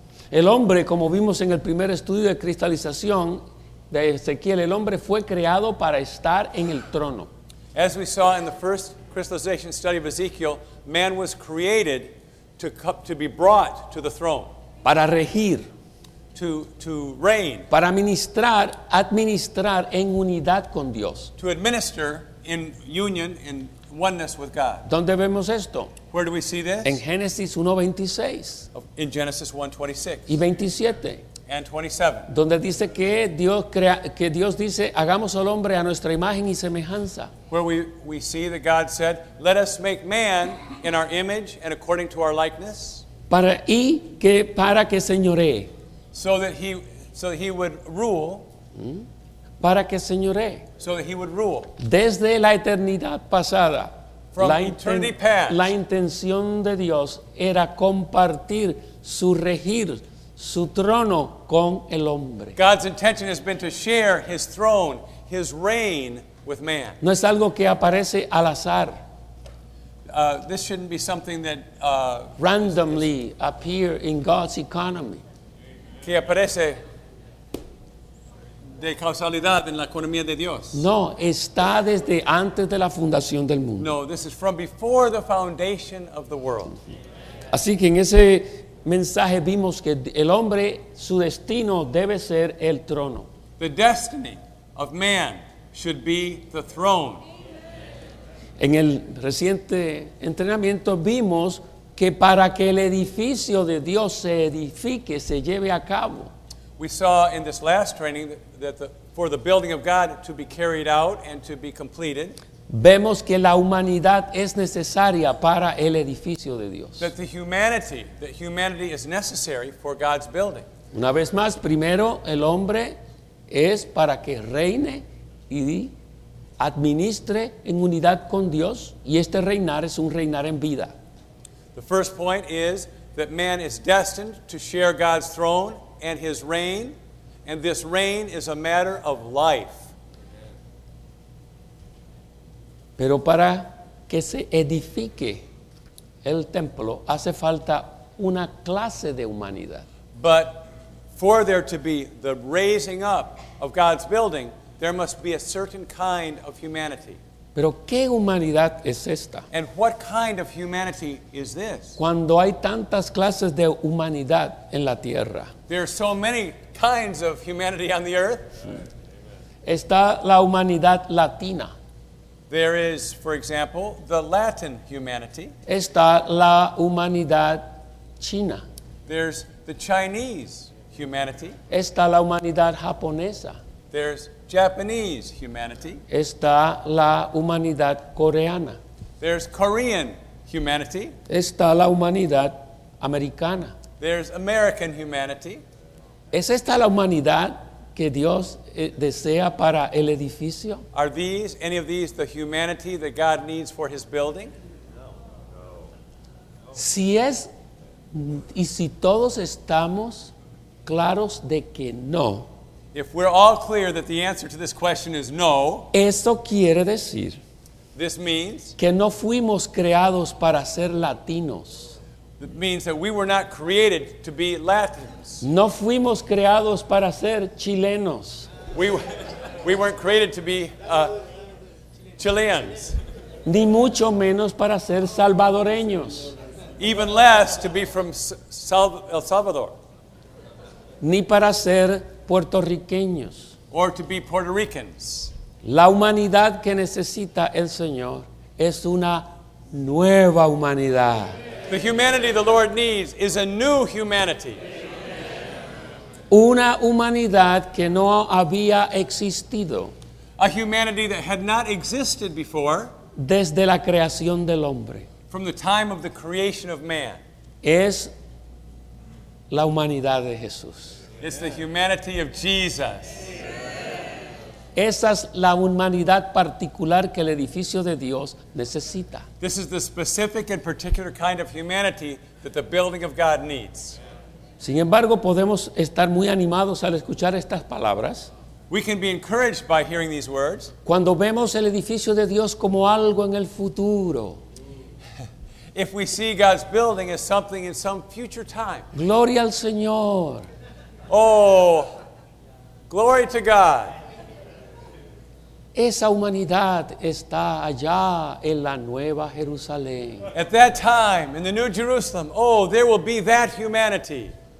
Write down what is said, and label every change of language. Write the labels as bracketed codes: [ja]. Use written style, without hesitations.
[es] El hombre, como vimos en el primer estudio de cristalización de Ezequiel, el hombre fue creado para estar en el trono. [en] As we saw in the first crystallization study of Ezekiel, man was created to be brought to the throne. [es] Para regir. [en] To reign. [es] Para administrar en unidad con Dios. [en] To administer in union, in oneness with God. [es] ¿Dónde vemos esto? [en] Where do we see this? [es] En Génesis 1:26. [en] In Genesis 1:26. [es] Y 27. [en] And 27. [es] Donde dice que Dios dice, hagamos al hombre a nuestra imagen y semejanza. [en] Where we see that God said, let us make man in our image and according to our likeness. [es] Para que señoree. [en] So that he would rule. [es] Para que señoree. [en] So that he would rule. [es] Desde la eternidad pasada. [en] From eternity past. [es] La intención de Dios era compartir su regir, su trono con el hombre. [en] God's intention has been to share his throne, his reign with man. [es] No es algo que aparece al azar. [en] This shouldn't be something that randomly appear in God's economy. [es] Que aparece de causalidad en la economía de Dios. No, está desde antes de la fundación del mundo. [en] No, this is from before the foundation of the world. [es] Así que en ese mensaje vimos que el hombre, su destino debe ser el trono. [en] The destiny of man should be the throne. [es] En el reciente entrenamiento vimos que para que el edificio de Dios se edifique, se lleve a cabo. [en] We saw in this last training for the building of God to be carried out and to be completed. [es] Vemos que la humanidad es necesaria para el edificio de Dios. [en] That humanity is necessary for God's building. [es] Una vez más, primero el hombre es para que reine y administre en unidad con Dios, y este reinar es un reinar en vida. [en] The first point is that man is destined to share God's throne and his reign, And this reign is a matter of life. [es] Pero para que se edifique el templo, hace falta una clase de humanidad. [en] But for there to be the raising up of God's building, there must be a certain kind of humanity. [es] Pero ¿qué humanidad es esta? [en] And what kind of humanity is this? [es] Cuando hay tantas clases de humanidad en la tierra. [en] There are so many kinds of humanity on the earth. [es] Está la humanidad latina. [en] There is, for example, the Latin humanity. [es] Está la humanidad china. [en] There's the Chinese humanity. [es] Está la humanidad japonesa. [en] There's Japanese humanity. [es] Está la humanidad coreana. [en] There's Korean humanity. [es] Está la humanidad americana. [en] There's American humanity. [es] ¿Es esta la humanidad que Dios desea para el edificio? [en] Are these, any of these, the humanity that God needs for his building? [es] No. Si es, y si todos estamos claros de que no. [en] If we're all clear that the answer to this question is no. [es] Eso quiere decir. [en] This means. [es] Que no fuimos creados para ser latinos. [en] That means that we were not created to be Latins. [es] No fuimos creados para ser chilenos. [en] We weren't created to be Chileans. [es] Ni mucho menos para ser salvadoreños. [en] Even less to be from El Salvador. [es] Ni para ser puertorriqueños. [en] Or to be Puerto Ricans. [es] La humanidad que necesita el Señor es una nueva humanidad. [en] The humanity the Lord needs is a new humanity. [es] Una humanidad que no había existido. [en] A humanity that had not existed before. [es] Desde la creación del hombre. [en] From the time of the creation of man. [es] Es la humanidad de Jesús. [en] It's the humanity of Jesus. [es] Esa es la humanidad particular que el edificio de Dios necesita. [en] This is the specific and particular kind of humanity that the building of God needs. [es] Sin embargo, podemos estar muy animados al escuchar estas palabras. [en] We can be encouraged by hearing these words. [es] Cuando vemos el edificio de Dios como algo en el futuro. [en] If we see God's building as something in some future time. [es] Gloria al Señor. [en] Oh, glory to God. [es] Esa humanidad está allá en la Nueva Jerusalén. [en] At that time, in the New Jerusalem, oh, there will be that humanity.